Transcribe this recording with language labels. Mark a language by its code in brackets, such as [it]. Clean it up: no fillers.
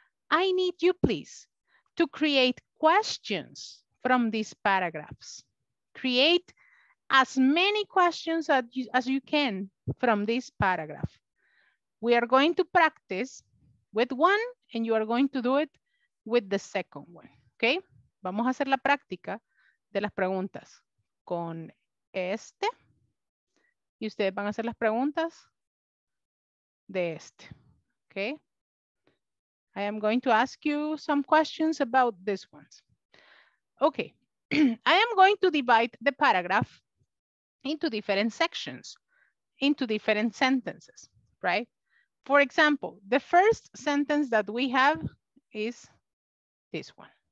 [en] I need you, please, to create questions from these paragraphs. Create as many questions as you can from this paragraph. We are going to practice with one and you are going to do it with the second one, okay? [es] Vamos a hacer la práctica de las preguntas con este. Y ustedes van a hacer las preguntas de este, okay? [en] I am going to ask you some questions about these ones. Okay, I am going to divide the paragraph into different sections, into different sentences, right? For example, the first sentence that we have is this one.